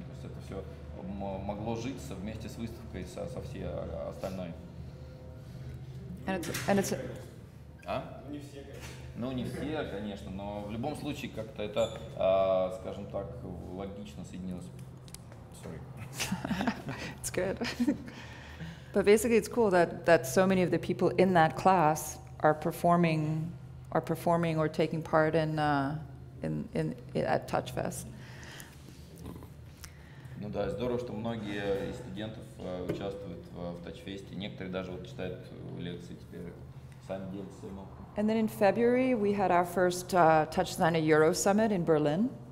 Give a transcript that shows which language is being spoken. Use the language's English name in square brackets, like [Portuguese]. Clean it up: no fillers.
[Russian] То есть это все могло жить вместе с выставкой, со всей остальной. [English] And it's a... [Russian] А? Не все, конечно. Ну, не все, конечно, но в любом случае как-то это, скажем так, логично соединилось. [English] Sorry. It's good. But basically it's cool that, that so many of the people in that class are performing or taking part in at TouchFest. [Russian] Ну да, здорово, что многие из студентов участвуют в TouchFest. Некоторые даже вот читают лекции теперь, сами делают сами. [English] And then in February we had our first TouchDesigner Euro Summit in Berlin.